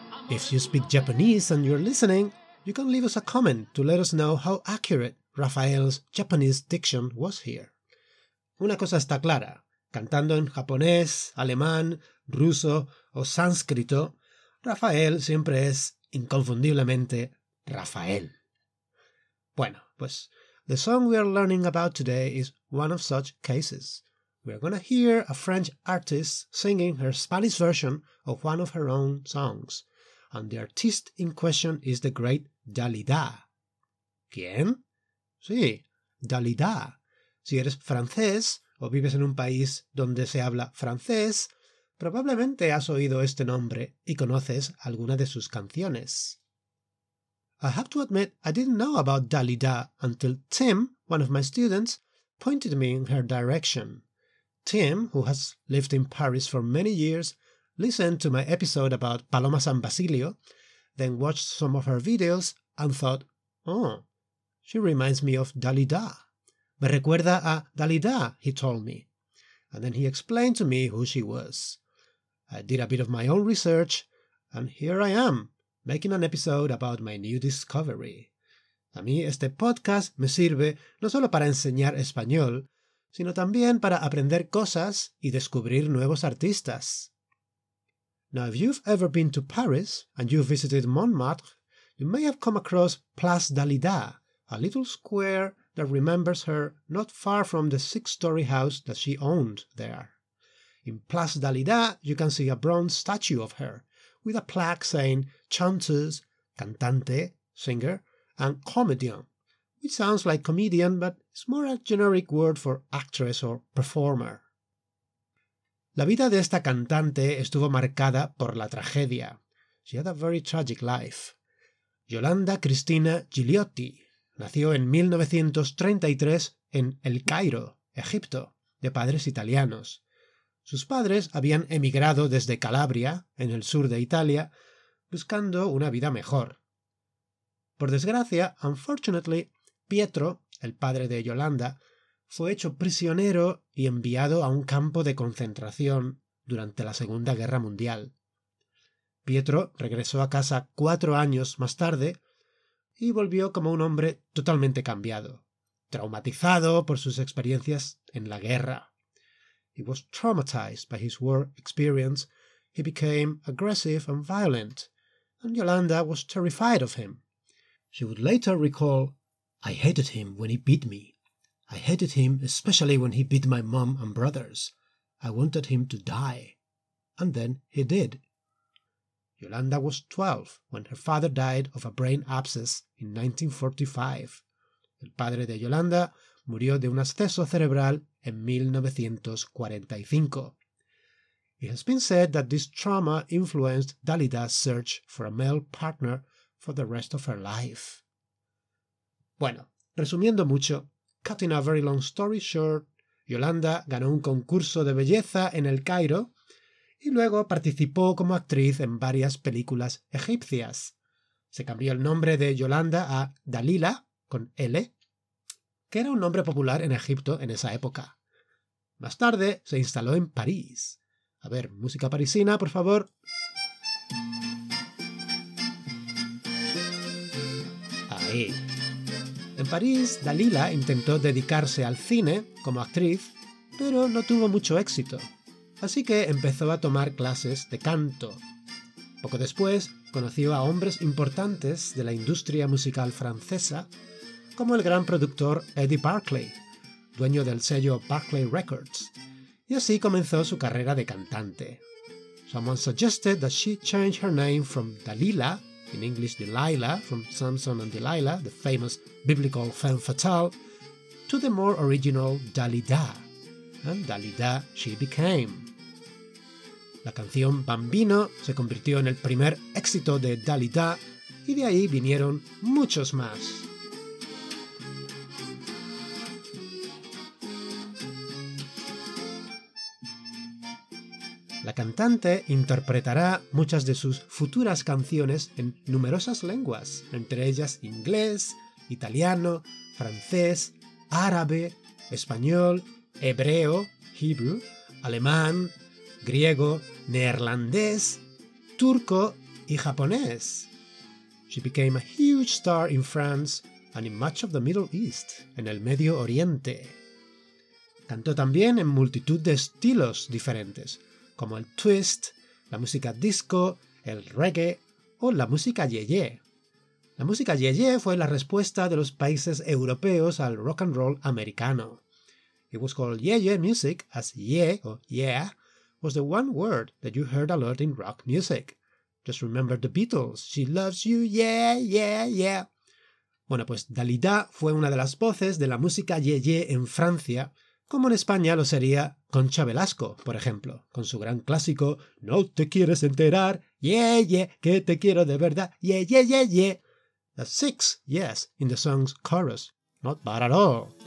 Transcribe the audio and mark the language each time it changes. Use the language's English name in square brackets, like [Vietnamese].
[English] If you speak Japanese and you're listening, you can leave us a comment to let us know how accurate Rafael's Japanese diction was here. [Spanish] Una cosa está clara. Cantando en japonés, alemán, ruso o sánscrito, Rafael siempre es inconfundiblemente Rafael. Bueno, pues [English] the song we are learning about today is one of such cases. We are going to hear a French artist singing her Spanish version of one of her own songs. And the artist in question is the great Dalida. [Spanish] ¿Quién? Sí, Dalida. Si eres francés o vives en un país donde se habla francés, probablemente has oído este nombre y conoces alguna de sus canciones. [English] I have to admit, I didn't know about Dalida until Tim, one of my students, pointed me in her direction. Tim, who has lived in Paris for many years, listened to my episode about Paloma San Basilio, then watched some of her videos and thought, oh, she reminds me of Dalida. [Spanish] Me recuerda a Dalida, [English] he told me. And then he explained to me who she was. I did a bit of my own research, and here I am, making an episode about my new discovery. [Spanish] A mí este podcast me sirve no solo para enseñar español, sino también para aprender cosas y descubrir nuevos artistas. [English] Now, if you've ever been to Paris and you've visited Montmartre, you may have come across Place Dalida, a little square that remembers her not far from the six-story house that she owned there. In Place Dalida, you can see a bronze statue of her, with a plaque saying chanteuse, cantante, singer, and comédien, which sounds like comedian, but it's more a generic word for actress or performer. [Spanish] La vida de esta cantante estuvo marcada por la tragedia. [English] She had a very tragic life. [Spanish] Yolanda Cristina Giliotti nació en 1933 en El Cairo, Egipto, de padres italianos. Sus padres habían emigrado desde Calabria, en el sur de Italia, buscando una vida mejor. Por desgracia, [English] unfortunately, [Spanish] Pietro, el padre de Yolanda, fue hecho prisionero y enviado a un campo de concentración durante la Segunda Guerra Mundial. Pietro regresó a casa 4 años más tarde y volvió como un hombre totalmente cambiado, traumatizado por sus experiencias en la guerra. [English] He was traumatized by his war experience. He became aggressive and violent, and Yolanda was terrified of him. She would later recall, "I hated him when he beat me. I hated him, especially when he beat my mom and brothers. I wanted him to die." and then he did. Yolanda was 12 when her father died of a brain abscess in 1945. [Spanish] El padre de Yolanda murió de un absceso cerebral en 1945. [English] It has been said that this trauma influenced Dalida's search for a male partner for the rest of her life. [Spanish] Bueno, resumiendo mucho, [English] cutting a very long story short, [Spanish] Yolanda ganó un concurso de belleza en El Cairo y luego participó como actriz en varias películas egipcias. Se cambió el nombre de Yolanda a Dalila, con L, que era un nombre popular en Egipto en esa época. Más tarde se instaló en París. A ver, música parisina, por favor. Ahí. En París, Dalila intentó dedicarse al cine como actriz, pero no tuvo mucho éxito. Así que empezó a tomar clases de canto. Poco después, conoció a hombres importantes de la industria musical francesa, como el gran productor Eddie Barclay, dueño del sello Barclay Records, y así comenzó su carrera de cantante. [English] Someone suggested that she change her name from Dalila, in English Delilah, from Samson and Delilah, the famous biblical femme fatale, to the more original Dalida, and Dalida she became. [Spanish] La canción Bambino se convirtió en el primer éxito de Dalida, y de ahí vinieron muchos más. La cantante interpretará muchas de sus futuras canciones en numerosas lenguas, entre ellas inglés, italiano, francés, árabe, español, hebreo, Hebrew, alemán, griego, neerlandés, turco y japonés. [English] She became a huge star in France and in much of the Middle East, [Spanish] en el Medio Oriente. Cantó también en multitud de estilos diferentes, como el twist, la música disco, el reggae o la música yeyé. La música yeyé fue la respuesta de los países europeos al rock and roll americano. [English] It was called yeyé music as ye o yeah was the one word that you heard a lot in rock music. Just remember the Beatles, she loves you, yeah, yeah, yeah. [Spanish] Bueno, pues Dalida fue una de las voces de la música yeyé en Francia, como en España lo sería Concha Velasco, por ejemplo, con su gran clásico No te quieres enterar, yeah, yeah, que te quiero de verdad, yeah, yeah, yeah, yeah. [English] That's six yes in the song's chorus. Not bad at all.